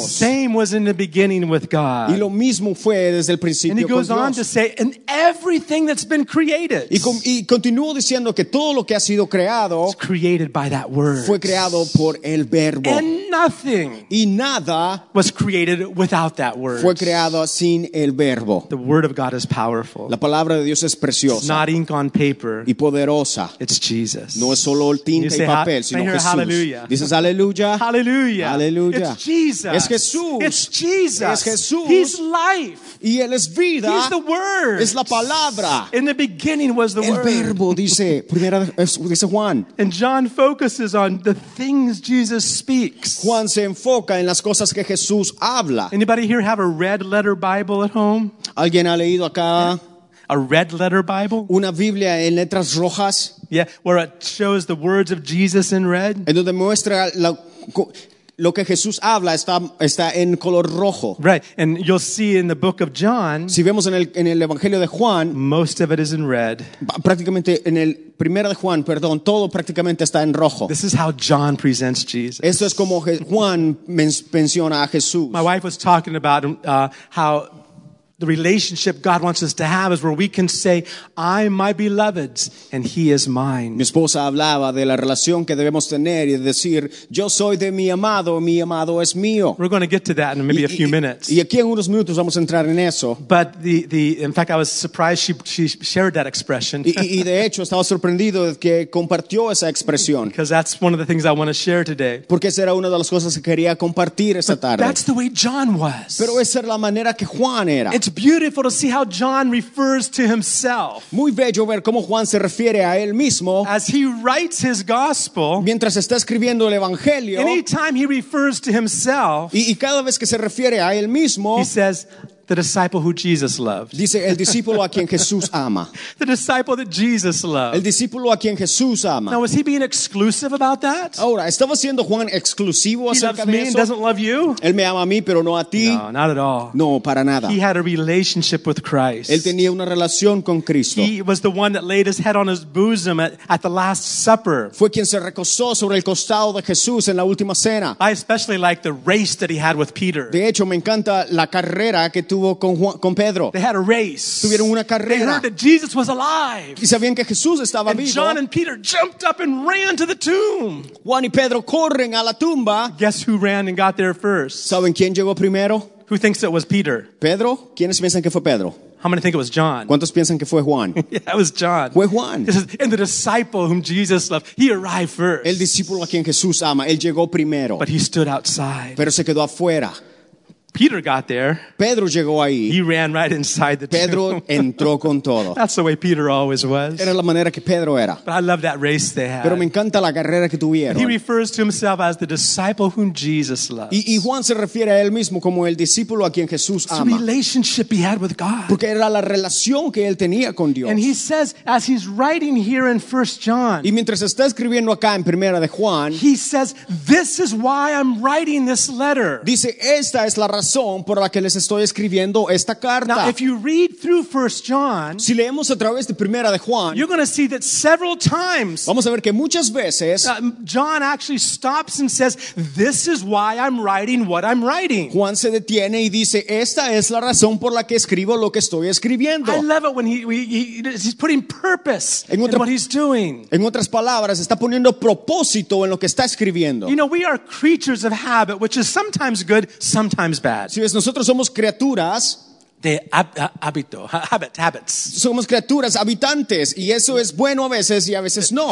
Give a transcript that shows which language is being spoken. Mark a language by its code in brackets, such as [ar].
[en] The same was in the beginning with God. [es] Y lo mismo fue desde el principio con Dios. [en] And he goes on to say, and everything that's been created. [es] Y continuó diciendo que todo lo que ha sido creado [en] is created by that word. [es] Fue creado por el verbo. [en] And nothing. [es] Y nada [en] was created without that word. [es] Fue creado sin el verbo. [en] The word of God is powerful. [es] La palabra de Dios es preciosa. [en] It's not ink on paper. [es] Y poderosa. [en] It's Jesus. [es] No es solo el tinta y papel, sino Jesús. [en] Hallelujah. [es] Dices aleluya. [en] Hallelujah. Hallelujah. It's Jesus. [es] Es Jesús. [en] It's Jesus. [es] Es Jesús. [en] He's life. [es] Y él es vida. [en] He's the word. [es] Es la palabra. [en] In the beginning was the [es] el [en] word. [es] El verbo dice, primera dice Juan. [en] And John focuses on the things Jesus speaks. [es] Juan se enfoca en las cosas que Jesús habla. [en] Anybody here have a red letter Bible at home? [es] ¿Alguien ha leído acá? [en] A red letter Bible? [es] Una Biblia en letras rojas. [en] Yeah, where it shows the words of Jesus in red. [es] En donde muestra lo que Jesús habla está en color rojo. [en] Right, and you'll see in the book of John. [es] Si vemos en el Evangelio de Juan, [en] most of it is in red. [es] Prácticamente en el Primera de Juan, perdón, todo prácticamente está en rojo. [en] This is how John presents Jesus. [es] Esto es como Juan menciona a Jesús. [en] My wife was talking about how the relationship God wants us to have is where we can say, I'm my beloved's and he is mine. [es] Mi esposa hablaba de la relación que debemos tener y decir, yo soy de mi amado es mío. [en] We're going to get to that in maybe a few minutes. [es] Y aquí en unos minutos vamos a entrar en eso. [en] But in fact, I was surprised she shared that expression. [es] Y de hecho, estaba sorprendido de que compartió esa expresión. [en] Because that's one of the things I want to share today. [es] Porque esa era una de las cosas que quería compartir esa tarde. [en] That's the way John was. [es] Pero esa era la manera que Juan era. [en] It's beautiful to see how John refers to himself. [es] Muy bello ver cómo Juan se refiere a él mismo. [en] As he writes his gospel, [es] mientras está escribiendo el evangelio, [en] anytime he refers to himself, [es] y cada vez que se refiere a él mismo, [en] he says, the disciple who Jesus loved. [es] Dice el discípulo a quien Jesús ama. [en] The disciple that Jesus loved. [es] El discípulo a quien Jesús ama. [en] Now, was he being exclusive about that? [es] Ahora, ¿estaba siendo Juan exclusivo acerca de eso? [en] He loves me and doesn't love you? [es] Él me ama a mí, pero no a ti. [en] No, not at all. [es] No, para nada. [en] He had a relationship with Christ. [es] Él tenía una relación con Cristo. [en] He was the one that laid his head on his bosom at the Last Supper. [es] Fue quien se recostó sobre el costado de Jesús en la última cena. [en] I especially like the race that he had with Peter. [es] De hecho, me encanta la carrera que tuvo con Pedro. [en] They had a race. [es] Tuvieron una carrera. [en] They heard that Jesus was alive. [es] Y sabían que Jesús estaba [en] and [es] vivo. [en] John and Peter jumped up and ran to the tomb. [es] Juan y Pedro corren a la tumba. [en] Guess who ran and got there first? [es] ¿Saben quién llegó primero? [en] Who thinks it was Peter? [es] Pedro. ¿Quiénes piensan que fue Pedro? [en] How many think it was John? [es] ¿Cuántos piensan que fue Juan? [en] Yeah, it was John. [es] Fue Juan. [en] This is, and the disciple whom Jesus loved, he arrived first. [es] El discípulo a quien Jesús ama, él llegó primero. [en] But he stood outside. [es] Pero se quedó afuera. [en] Peter got there. [es] Pedro llegó ahí. [en] He ran right inside the [es] Pedro [en] tomb. [es] Pedro entró con todo. [en] That's the way Peter always was. [es] Era la manera que Pedro era. [en] But I love that race they had. [es] Pero me encanta la carrera que tuvieron. [en] And he refers to himself as the disciple whom Jesus loves. [es] Y Juan se refiere a él mismo como el discípulo a quien Jesús ama. [en] It's a relationship he had with God. [es] Porque era la relación que él tenía con Dios. [en] And he says, as he's writing here in 1 John. [es] Y mientras está escribiendo acá en Primera de Juan. [en] He says, this is why I'm writing this letter. [es] Dice, esta es la razón por la que les estoy escribiendo esta carta. [en] Now, if you read through 1 John, [es] si leemos a través de Primera de Juan, [en] you're going to see that several times, [es] vamos a ver que muchas veces, [en] John actually stops and says, this is why I'm writing what I'm writing. [es] Juan se detiene y dice, esta es la razón por la que escribo lo que estoy escribiendo. [en] I love it when he's putting purpose in what he's doing. [es] En otras palabras, está poniendo propósito en lo que está escribiendo. [en] You know, we are creatures of habit, which is sometimes good, sometimes bad. [es] Si ves, nosotros somos criaturas de habits. Somos criaturas habitantes y eso es bueno a veces y a veces no.